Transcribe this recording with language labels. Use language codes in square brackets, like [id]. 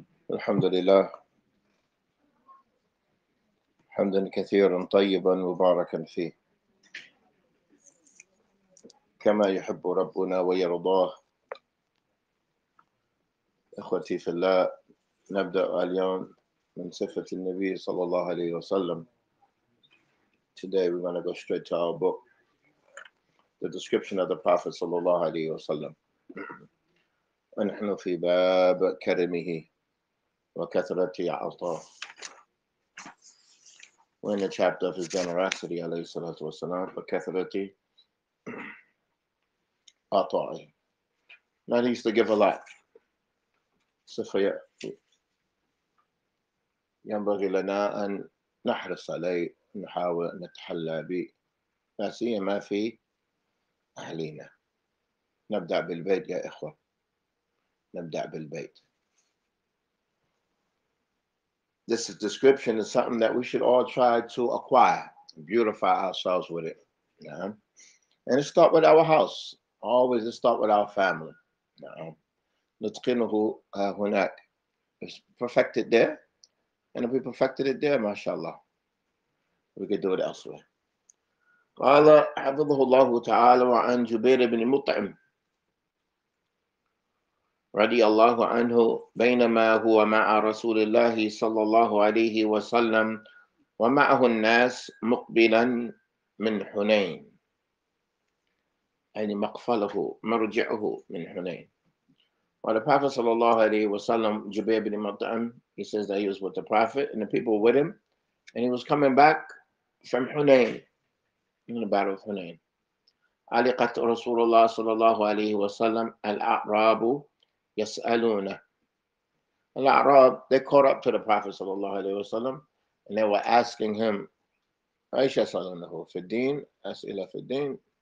[ar] الحمد لله، حمدا كثيرا طيبا مباركا فيه، كما يحب ربنا ويرضاه. إخوتي في الله، نبدأ اليوم من سفة النبي صلى الله عليه وسلم. [en] Today we're going to go straight to our book, the description of the Prophet صلى الله عليه وسلم. [ar] ونحن في باب كرمه وكثرة عطاه. [en] We're in the chapter of his generosity عليه الصلاة والسلام [ar] وكثرة عطاه. [en] Now he used to give a lot. [ar] سوف ينبغي لنا أن نحرص عليه، نحاول أن نتحلى به، لا سيما في أهلنا. نبدأ بالبيت يا إخوة. نبدأ بالبيت. [en] This description is something that we should all try to acquire, beautify ourselves with it. Yeah. And it starts with our house. Always it starts with our family. Yeah. [ar] نتقنه هناك. [en] It's perfected there. And if we perfected it there, mashallah, we could do it elsewhere. [ar] قال حفظه الله تعالى عن جبير بن مطعم رضي الله عنه بينما هو مع رسول الله صلى الله عليه وسلم ومعه الناس مقبلا من حنين، يعني مقفله مرجعه من حنين. [en] While the Prophet صلى الله عليه وسلم جبير بن مطعم, he says that he was with the Prophet and the people with him, and he was coming back from Hunain, in the battle of Hunain. [ar] علقت رسول الله صلى الله عليه وسلم الأعراب يسألون. [en] الأعراب, they caught up to the Prophet صلى الله عليه وسلم and they were asking him, [ar] عيش يسألونه في الدين, أسئلة في الدين.